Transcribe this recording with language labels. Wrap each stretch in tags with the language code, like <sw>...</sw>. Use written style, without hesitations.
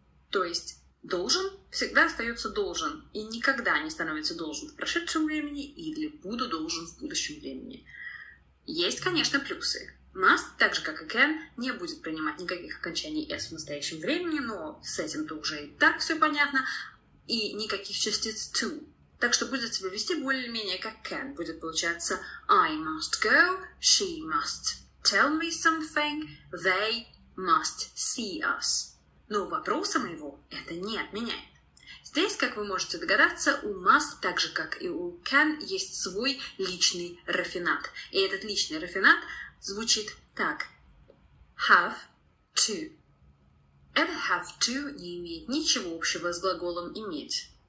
<ru>То есть должен всегда остается должен и никогда не становится должен в прошедшем времени или буду должен в будущем времени. Есть, конечно, плюсы. Must, так же как и can, не будет принимать никаких окончаний s в настоящем времени, но с этим-то уже и так все понятно, и никаких частиц to. Так что будет себя вести более-менее как can. Будет получаться</ru> <en>I must go, she must tell me something, they must see us.</en> <ru>Но вопросом его это не отменяет. Здесь, как вы можете догадаться, у must, так же как и у can, есть свой личный рафинат. И этот личный рафинат звучит так.</ru> <en>Have to.</en> <ru>Это have to не имеет ничего общего с глаголом иметь.</ru>